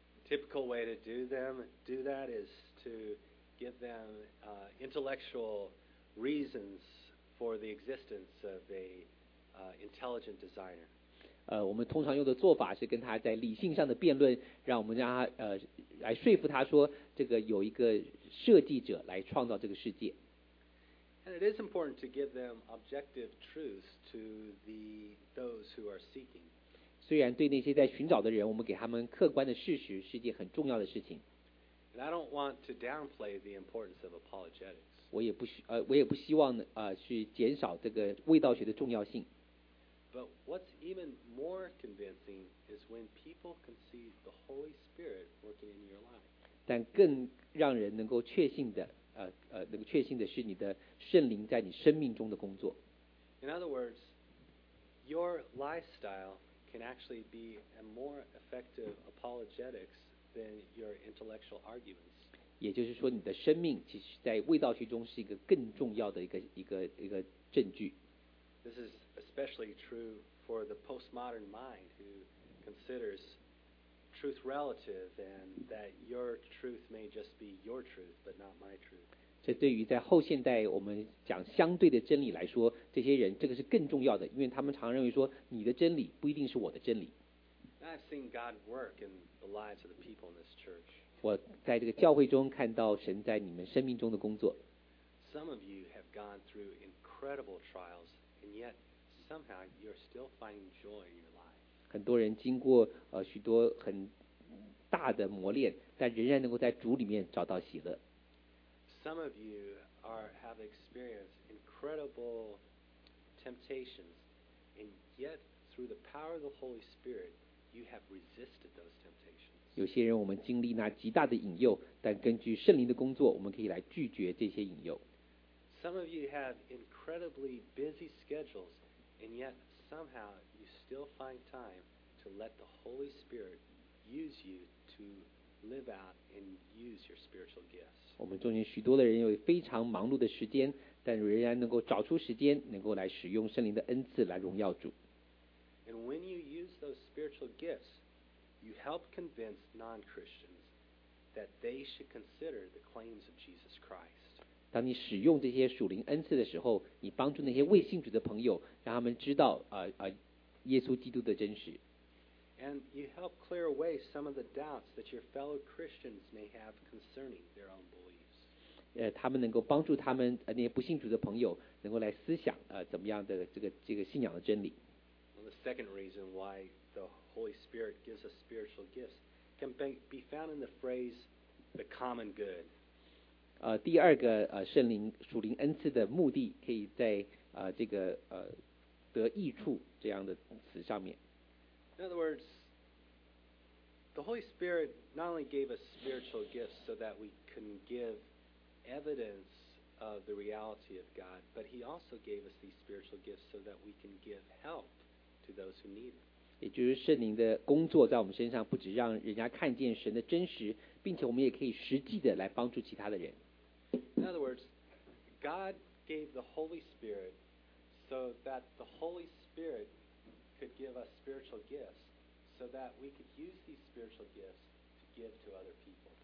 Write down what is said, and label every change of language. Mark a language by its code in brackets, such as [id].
[en] Typical way to do that is to give them intellectual reasons for the existence of a intelligent designer. [zh] 我们通常用的做法是跟他在理性上的辩论，让我们让他来说服他说这个有一个设计者来创造这个世界。 [en] And it is important to give them objective truths to those who are seeking. [zh] 虽然对那些在寻找的人，我们给他们客观的事实是一件很重要的事情。 [en] And I don't want to downplay the importance of apologetics. [zh] 我也不希望去减少这个卫道学的重要性。 [en] But what's even more convincing is when people can see the Holy Spirit working in your life. [zh] 但更让人能够确信的。那个确信的是你的圣灵在你生命中的工作。 [en] In other words, your lifestyle can actually be a more effective apologetics than your intellectual arguments. [zh] 也就是说，你的生命其实在卫道学中是一个更重要的一个证据。 [en] This is especially true for the postmodern mind who considers truth. truth relative, and that your truth may just be your truth, but not my truth. [zh] 这对于在后现代我们讲相对的真理来说，这些人这个是更重要的，因为他们常认为说你的真理不一定是我的真理。 [en] I've seen God work in the lives of the people in this church. [zh] 我在这个教会中看到神在你们生命中的工作。 [en] Some of you have gone through incredible trials, and yet somehow you're still finding joy in your life. [zh] 很多人经过许多很大的磨练，但仍然能够在主里面找到喜乐。 [en] Some of you have experienced incredible temptations, and yet through the power of the Holy Spirit, you have resisted those temptations. [zh] 有些人我们经历那极大的引诱，但根据圣灵的工作，我们可以来拒绝这些引诱。 [en] Some of you have incredibly busy schedules, and yet somehow you still find time to let the Holy Spirit use you to live out and use your spiritual gifts. [zh] 我们中间许多的人有非常忙碌的时间，但仍然能够找出时间，能够来使用圣灵的恩赐来荣耀主。 [en] And when you use those spiritual gifts, you help convince non-Christians that they should consider the claims of Jesus Christ. [zh] 当你使用这些属灵恩赐的时候，你帮助那些未信主的朋友，让他们知道耶稣基督的真实。 [en] And you help clear away some of the doubts that your fellow Christians may have concerning their own beliefs. [zh] 他们能够帮助他们那些不信主的朋友能够来思想怎么样的这个信仰的真理。 [en] Well, the second reason why the Holy Spirit gives us spiritual gifts can be found in the phrase the common good. [zh] 第二个圣灵属灵恩赐的目的可以在这个得益处这样的词上面。 [en] In other words, the Holy Spirit not only gave us spiritual gifts so that we can give evidence of the reality of God, but He also gave us these spiritual gifts so that we can give help to those who need it. [zh] 也就是圣灵的工作在我们身上不只让人家看见神的真实，并且我们也可以实际的来帮助其他的人。 [en] In other words, God gave the Holy Spirit so that the Holy Spirit could give us spiritual gifts so that we could use these spiritual gifts to give to other people.